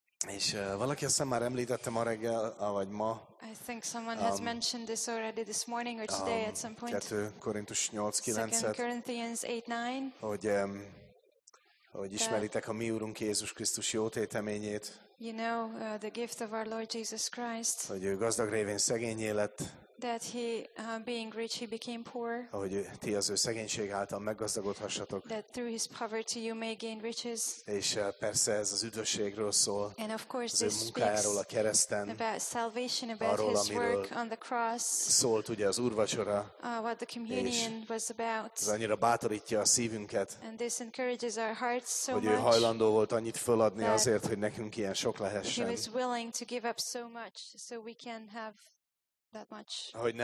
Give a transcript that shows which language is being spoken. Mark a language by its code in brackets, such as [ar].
[hu] És valaki azt már említette ma reggel, vagy ma. [en] I think someone has mentioned this already this morning or today at some point. [hu] 2 Korintus 8:9. [en] 2 Corinthians 8:9. [hu] Hogy ismeritek a mi Úrunk Jézus Krisztus jó téteményét. [en] You know the gift of our Lord Jesus Christ. [hu] Hogy ő gazdag révén szegényé lett. [en] That he being rich he became poor. [hu] Hogy ti az ő szegénység által meggazdagodhassatok. [en] That through his poverty you may gain riches. [hu] És persze ez az üdvösségről szól. [en] And of course [hu] az ő munkájáról a kereszten. [en] About salvation, about [hu] arról, [en] his work on the cross. [hu] Szólt ugye az úrvacsora. [en] What the communion was about. [hu] Ez annyira bátorítja a szívünket. [en] And this encourages our hearts so much. [hu] Hogy ő hajlandó volt annyit föladni azért, hogy nekünk ilyen sok lehessen. [en] He was willing to give up so much so we can have that much.